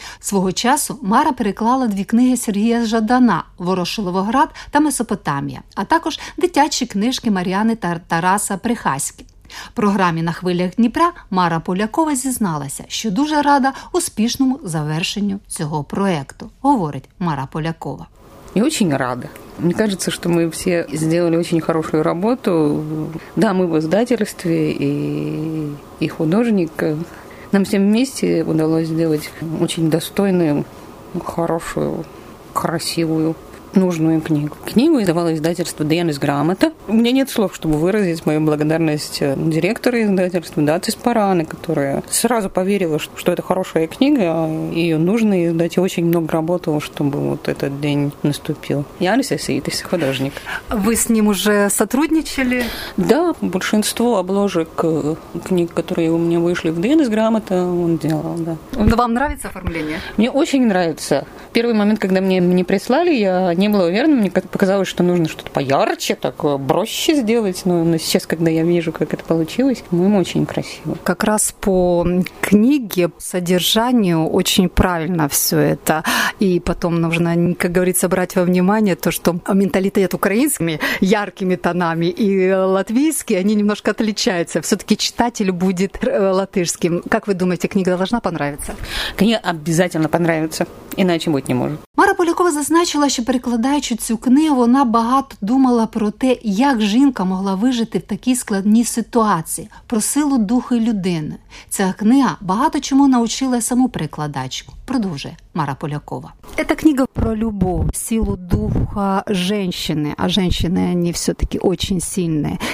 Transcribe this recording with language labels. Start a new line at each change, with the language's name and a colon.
Ukrainian: Свого часу Мара переклала дві книги Сергія Жадана «Ворошиловоград» та «Месопотамія», а також дитячі книжки Мар'яни та Тараса Прихаськи. Програмі «На хвилях Дніпра» Мара Полякова зізналася, що дуже рада успішному завершенню цього проєкту, говорить Мара Полякова.
Russian: Я очень рада. Мне кажется, что мы все сделали очень хорошую работу. Да, мы в издательстве и художник. Нам всем вместе удалось сделать очень достойную, хорошую, красивую, нужную книгу. Книгу издавало издательство «Діана з грамота». У меня нет слов, чтобы выразить мою благодарность директору издательства Даці Спарани, которая сразу поверила, что это хорошая книга, ее нужно издать. Очень много работала, чтобы вот этот день наступил. Я Алиса Сейтис, художник. Вы с ним уже сотрудничали? Да, большинство обложек книг, которые у меня вышли в «Діана з грамота», он делал, да. Но вам нравится оформление? Мне очень нравится. Первый момент, когда мне прислали, я не была уверена, мне показалось, что нужно что-то поярче, такое, проще сделать, но сейчас, когда я вижу, как это получилось, по-моему, очень красиво. Как раз по книге, по содержанию очень правильно все это, и потом нужно, как говорится, брать во внимание то, что менталитет украинскими яркими тонами и латвийский, они немножко отличаются, все-таки читатель будет латышским. Как вы думаете, книга должна понравиться? Книга обязательно понравится, иначе быть не может.
Ukrainian: Мара Полякова зазначила, що перекладаючи цю книгу, вона багато думала про те, як жінка могла вижити в такій складній ситуації, про силу духу людини. Ця книга багато чому навчила саму перекладачку. Продовжує Мара Полякова. Ця книга про любов, силу духа жінки, а жінки, вони все-таки дуже сильні.